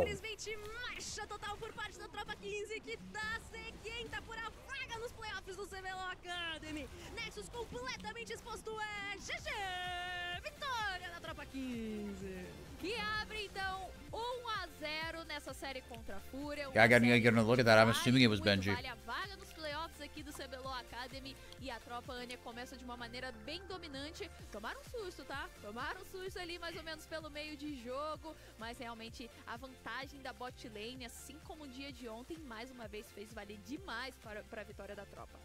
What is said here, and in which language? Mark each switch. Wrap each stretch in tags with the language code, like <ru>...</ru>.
<pt>Simplesmente marcha total por parte da tropa 15 que tá sequenta por a vaga nos playoffs do CBLOL Academy. Nexus completamente exposto é GG! Vitória da tropa 15. E abre então 1-0 nessa série contra a Fúria.</pt> <en>I gotta get another look at that. I'm assuming it was Benji.</en> <pt>Vale a vaga nos playoffs aqui do CBLOL Academy. E a tropa Anya começa de uma maneira bem dominante. Tomaram um susto, tá? Tomaram um susto ali mais ou menos pelo meio de jogo. Mas realmente a vantagem da bot lane, assim como o dia de ontem, mais uma vez fez valer demais para a vitória da tropa.</pt>